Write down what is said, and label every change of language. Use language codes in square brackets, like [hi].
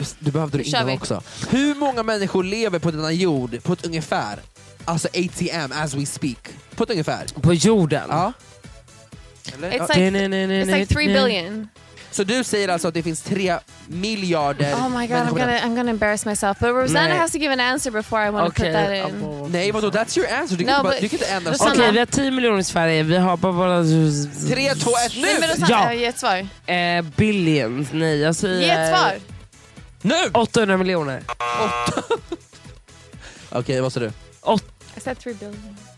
[sv] Du behövde det innan också. Hur många människor lever på denna jord på ett ungefär? Alltså ATM, [en] as we speak. [sv] På ett ungefär. På jorden? Ja. [en] It's like 3 billion. [sv] Så du säger alltså att det finns 3 miljarder. [en] Oh my god, I'm gonna embarrass myself. But Rosanna has to give an answer before I want to put that in. [sv] Nej, vadå? [en] That's your answer. [sv] Du kan inte ändra. Okej, vi har 10 miljoner i Sverige. Vi har bara... 3, 2, 1, nu! Ja, ge ett svar. Billions, nej. Jag säger... Ge ett svar! Nu! 800 miljoner. Okej, vad säger du? [en] I said 3 billion.